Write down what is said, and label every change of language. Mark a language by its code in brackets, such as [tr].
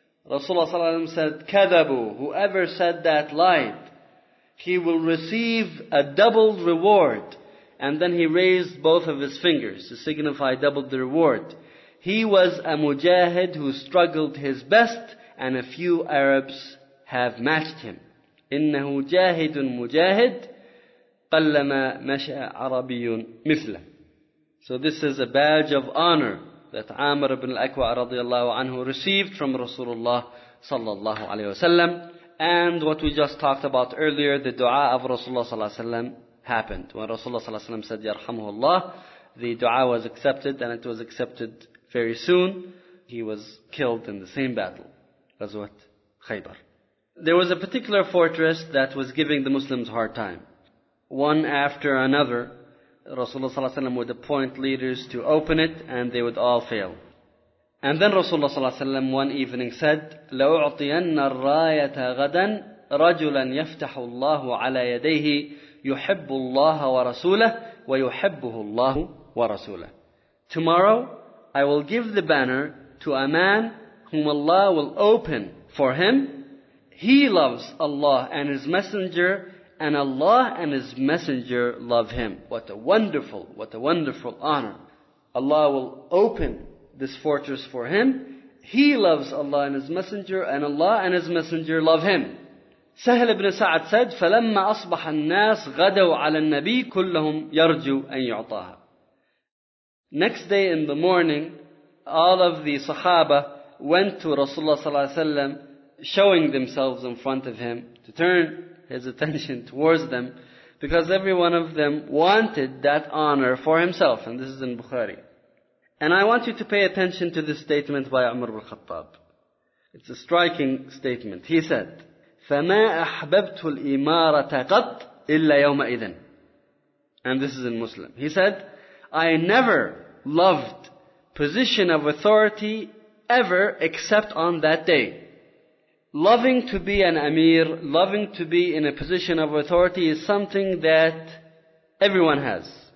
[en] Rasulullah ﷺ said, kadabu, whoever said that lied, he will receive a doubled reward. And then he raised both of his fingers to signify doubled the reward. He was a mujahid who struggled his best, and a few Arabs have matched him. إنه جاهد مجاهد قلما مشى عربي مثله. So this is a badge of honor that Amr ibn al-Akwa رضي الله عنه received from Rasulullah صلى الله عليه وسلم. And what we just talked about earlier, the dua of Rasulullah صلى الله عليه وسلم happened. When Rasulullah صلى الله عليه وسلم said [ar] يرحمه الله, [en] the dua was accepted, and it was accepted very soon. He was killed in the same battle, غزوة خيبر. There was a particular fortress that was giving the Muslims a hard time. One after another, Rasulullah ﷺ would appoint leaders to open it, and they would all fail. And then Rasulullah ﷺ one evening said, [ar] لَأُعْطِيَنَّ الرَّايَةَ غَدًا رَجُلًا يَفْتَحُ اللَّهُ عَلَى يَدَيْهِ يُحِبُّ اللَّهَ وَرَسُولَهُ وَيُحِبُّهُ اللَّهُ وَرَسُولَهُ. [en] Tomorrow, I will give the banner to a man whom Allah will open for him. He loves Allah and His Messenger, and Allah and His Messenger love him. What a wonderful honor. Allah will open this fortress for him. He loves Allah and His Messenger, and Allah and His Messenger love him. Sahl ibn Sa'ad said, [ar] فَلَمَّا أَصْبَحَ النَّاسِ غَدَوْا عَلَى النَّبِيِّ كُلَّهُمْ يَرْجُوا أَنْ يُعْطَاهَا. [en] Next day in the morning, all of the Sahaba went to Rasulullah صلى الله عليه وسلم, showing themselves in front of him to turn his attention towards them. Because every one of them wanted that honor for himself. And this is in Bukhari. And I want you to pay attention to this statement by Umar ibn Khattab. It's a striking statement. He said, [ar] فَمَا أَحْبَبْتُ الْإِمَارَةَ قَطْ إِلَّا يَوْمَئِذٍ. [en] And this is in Muslim. He said, I never loved position of authority ever except on that day. Loving to be an Amir, loving to be in a position of authority is something that everyone has.